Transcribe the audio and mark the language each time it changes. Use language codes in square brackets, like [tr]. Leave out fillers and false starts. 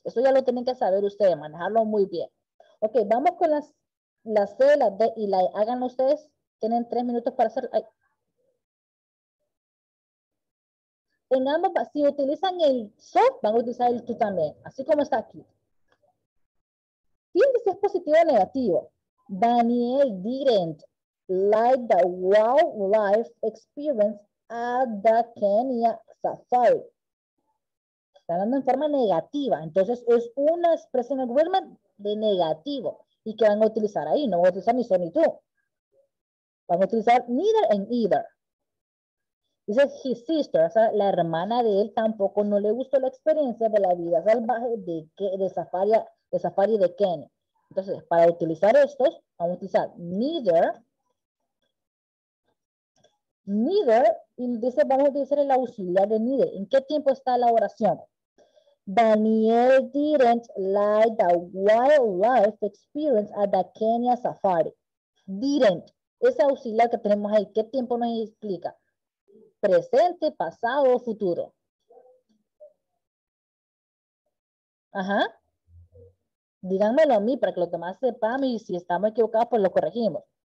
[es] Eso ya lo tienen que saber ustedes, manejarlo muy bien. Ok, vamos con la C, la D y la E. Háganlo ustedes, tienen tres minutos para hacerlo. Ay. En ambos, si utilizan el so, van a utilizar el tú también, así como está aquí. Fíjense si es positivo o negativo. [en] Daniel didn't like the wildlife experience at the Kenya Safari. [es] Está hablando en forma negativa. Entonces, es una expresión agreement de negativo. ¿Y qué van a utilizar ahí? No van a utilizar ni so ni tú. Van a utilizar neither and either. Dice, his sister, o sea, la hermana de él, tampoco no le gustó la experiencia de la vida salvaje de safari de Kenny. Entonces, para utilizar estos, vamos a utilizar neither, y dice, vamos a utilizar el auxiliar de neither. ¿En qué tiempo está la oración? [en] Daniel didn't like the wildlife experience at the Kenya safari. Didn't. [es] Ese auxiliar que tenemos ahí, ¿qué tiempo nos explica? Presente, pasado o futuro. Ajá. Díganmelo a mí para que los demás sepan y si estamos equivocados, pues lo corregimos.